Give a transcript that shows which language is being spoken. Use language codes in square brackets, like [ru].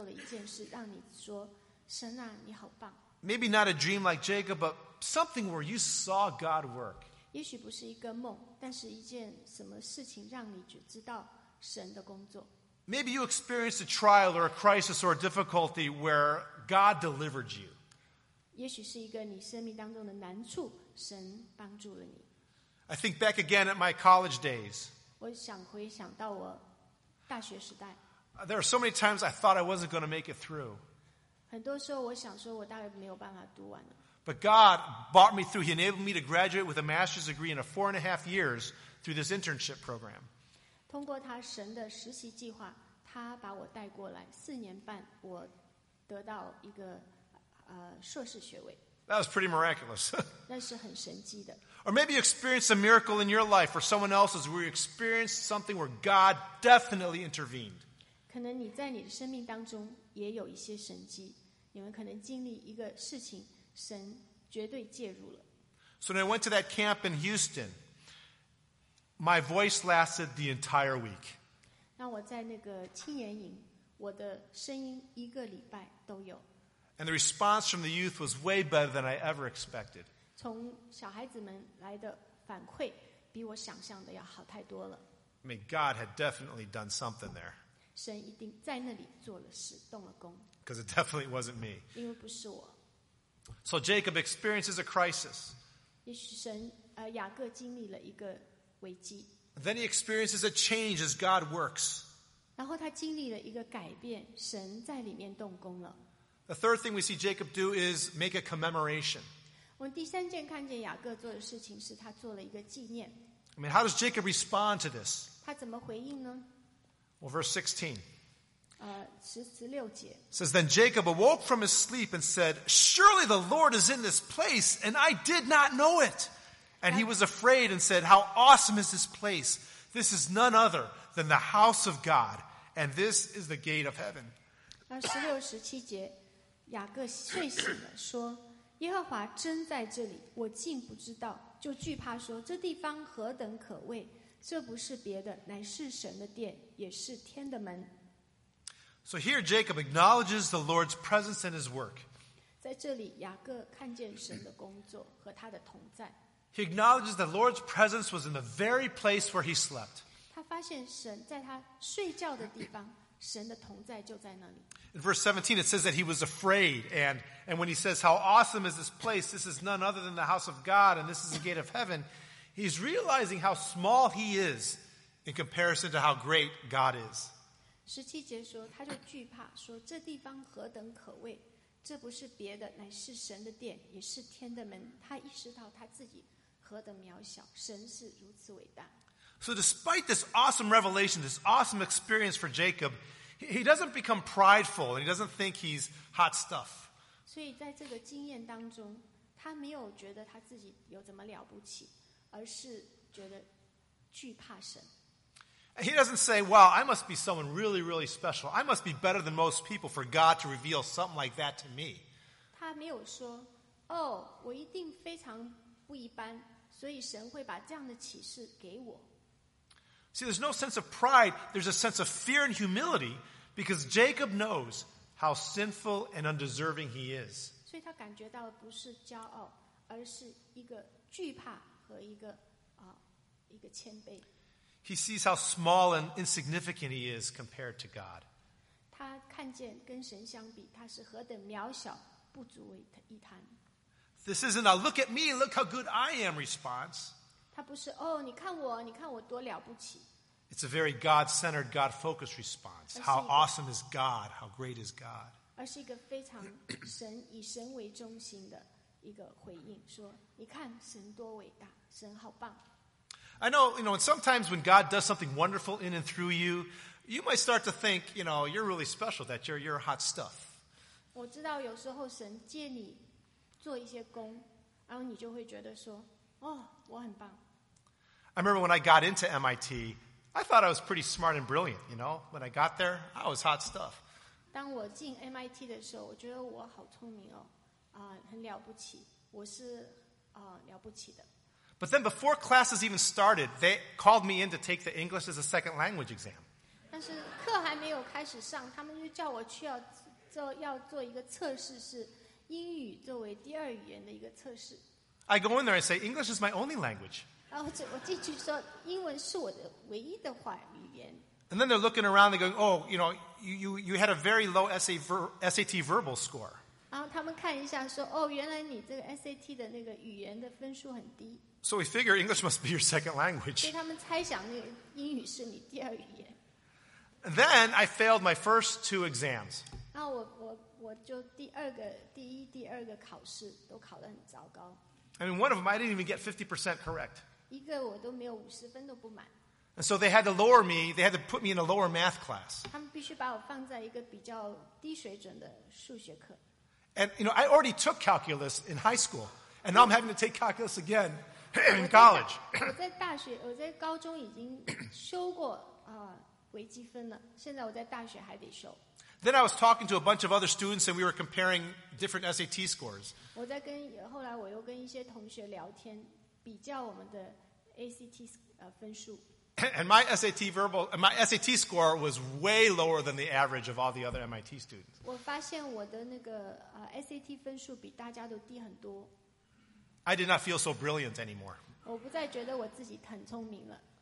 [zh] 有一个时间神在你身上做了一件事让你说, 神啊, 你好棒。 [en] Maybe not a dream like Jacob, but something where you saw God work. [zh] 也许不是一个梦, 但是一件什么事情让你知道神的工作。 [en] Maybe you experienced a trial or a crisis or a difficulty where God delivered you. [zh] 也许是一个你生命当中的难处, 神帮助了你。 [en] I think back again at my college days. [zh] 我想回想到我大学时代。 [en] There are so many times I thought I wasn't going to make it through. [zh] 很多时候我想说我大概没有办法读完了。 [en] But God brought me through. He enabled me to graduate with a master's degree in a 4.5 years through this internship program. [zh] 通过他神的实习计划, 他把我带过来四年半,我得到一个, 硕士学位。 [en] That was pretty miraculous. [zh] 那是很神迹的。 [en] Or maybe you experienced a miracle in your life or someone else's where you experienced something where God definitely intervened. [zh] 可能你在你的生命当中也有一些神迹。你们可能经历一个事情, 神绝对介入了。 [en] So when I went to that camp in Houston, my voice lasted the entire week. [zh] 那我在那个青年营, 我的声音一个礼拜都有。 [en] And the response from the youth was way better than I ever expected. [zh] 从小孩子们来的反馈, 比我想象的要好太多了。 [en] I mean, God had definitely done something there. [zh] 神一定在那里做了事，动了工。 [en] Because it definitely wasn't me. [zh] 因为不是我。 [en] So Jacob experiences a crisis. [zh] 也许神，雅各经历了一个危机。 [en] Then he experiences a change as God works. [zh] 然后他经历了一个改变，神在里面动工了。 [en] The third thing we see Jacob do is make a commemoration. [zh] 我们第三件看见雅各做的事情是他做了一个纪念。 [en] I mean, how does Jacob respond to this? [zh] 他怎么回应呢？ [en] Well, verse [zh] 16. 16节。 [en] Says, then Jacob awoke from his sleep and said, surely the Lord is in this place, and I did not know it. And he was afraid and said, how awesome is this place? This is none other than the house of God, and this is the gate of heaven. [zh] 16, 17节，雅各睡醒了，说，耶和华真在这里，我竟不知道。就惧怕说这地方何等可畏，这不是别的，乃是神的殿，也是天的门。 [en] So here Jacob acknowledges the Lord's presence and His work. [zh] 在这里，雅各看见神的工作和他的同在。 [en] He acknowledges the Lord's presence was in the very place where he slept. [zh] 他发现神在他睡觉的地方，神的同在就在那里。 [en] In verse 17, it says that he was afraid. And when he says, how awesome is this place? This is none other than the house of God, and this is the gate of heaven. He's realizing how small he is in comparison to how great God is. [zh] 17节说，他就惧怕，说这地方何等可畏，这不是别的，乃是神的殿，也是天的门。他意识到他自己何等渺小，神是如此伟大。 [en] So despite this awesome revelation, this awesome experience for Jacob, he doesn't become prideful and he doesn't think he's hot stuff. [zh] 所以在这个经验当中，他没有觉得他自己有怎么了不起，而是觉得惧怕神。 [en] He doesn't say, wow, I must be someone really, really special. I must be better than most people for God to reveal something like that to me. [zh] 他没有说，哦，我一定非常不一般，所以神会把这样的启示给我。 [en] See, there's no sense of pride. There's a sense of fear and humility because Jacob knows how sinful and undeserving he is. [zh] 所以他感觉到不是骄傲，而是一个惧怕和一个谦卑。 [en] He sees how small and insignificant he is compared to God. [zh] 他看见跟神相比，他是何等渺小，不足为一谈。 [en] This isn't a look at me, look how good I am response. [zh] 他不是哦，你看我，你看我多了不起。 [en] It's a very God-centered, God-focused response. How awesome is God? How great is God? [zh] 而是一个非常神以神为中心的一个回应，说你看神多伟大，神好棒。 [en] I know, you know, and sometimes when God does something wonderful in and through you, you might start to think, you know, you're really special, that you're hot stuff. [zh] 我知道有时候神借你做一些工，然后你就会觉得说，哦，我很棒。 [en] I remember when I got into MIT, I thought I was pretty smart and brilliant, you know. When I got there, I was hot stuff. [zh] 当我进 MIT 的时候，我觉得我好聪明哦，很了不起，我是了不起的。 [en] But then before classes even started, they called me in to take the English as a second language exam. [zh] 但是课还没有开始上，他们就叫我去要做一个测试，是英语作为第二语言的一个测试。 [en] I go in there and say, English is my only language. [zh] 然后我进去说，英文是我的唯一的语言。 [en] And then they're looking around, they're going, oh, you know, you had a very low SAT verbal score. [zh] 然后他们看一下说，哦，原来你这个 SAT 的那个语言的分数很低。 [en] So we figure English must be your second language. [zh] 所以他们猜想那个英语是你第二语言。 [en] Then I failed my first two exams. [zh] 然后我就第一、第二个考试都考得很糟糕。 [en] I mean, one of them I didn't even get 50% correct. [zh] 一个我都没有五十分都不满。 [en] And so they had to lower me. They had to put me in a lower math class. [zh] 他们必须把我放在一个比较低水准的数学课。 [en] And you know, I already took calculus in high school, and now I'm having to take calculus again. In college, [zh] 我在高中已经修过微积分了。现在我在大学还得修。 [en] Then I was talking to a bunch of other students, and we were comparing different SAT scores. [zh] 我在跟后来我又跟一些同学聊天，比较我们的 ACT 分数。 [en] And my SAT score was way lower than the average of all the other MIT students. [zh] 我发现我的那个SAT 分数比大家都低很多。 [en] I did not feel so brilliant anymore. [zh] 我不再觉得我自己很聪明了。